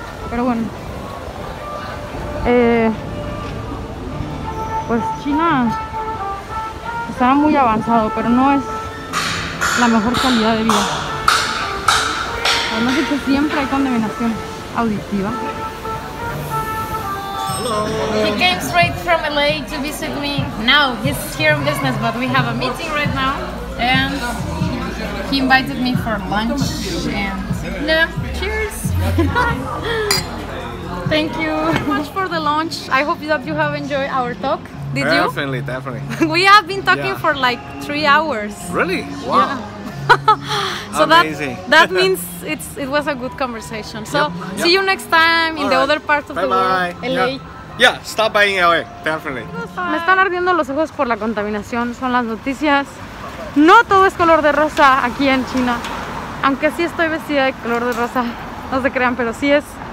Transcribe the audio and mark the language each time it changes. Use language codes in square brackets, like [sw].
[es] Pero bueno, pues China estará muy avanzado, pero no es la mejor calidad de vida. Además de que siempre hay contaminación auditiva. [en] He came straight from LA to visit me. Now he's here in business, but we have a meeting right now. And he invited me for lunch. And no, cheers! Thank you so much for the lunch. I hope that you have enjoyed our talk. Did definitely, you? Definitely, definitely. We have been talking for like 3 hours. Really? Wow. Yeah. So that means it was a good conversation. So yep. See you next time in the other part of bye the world, bye. LA. Yeah, stop by in LA, definitely. [es] Me están ardiendo los ojos por la contaminación, son las noticias. No todo es color de rosa aquí en China. Aunque sí estoy vestida de color de rosa, no se crean, pero sí es...